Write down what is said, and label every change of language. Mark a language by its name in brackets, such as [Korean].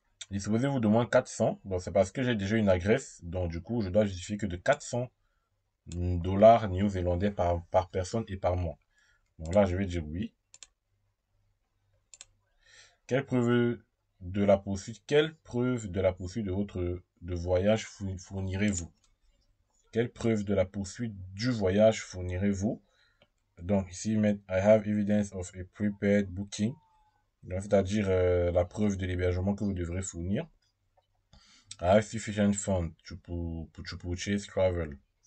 [French] Disposez-vous d'au moins 400. Bon, c'est parce que j'ai déjà une adresse. Donc, du coup, je dois justifier que de 400 dollars néo-zélandais par personne et par mois. Donc, là, je vais dire oui. Quelle preuve de la poursuite de votre de voyage fournirez-vous? Quelle preuve de la poursuite du voyage fournirez-vous? Donc ici, [English] I have evidence of a prepared booking. [French] C'est-à-dire la preuve de l'hébergement que vous devrez fournir. [English] I have sufficient funds to purchase travel.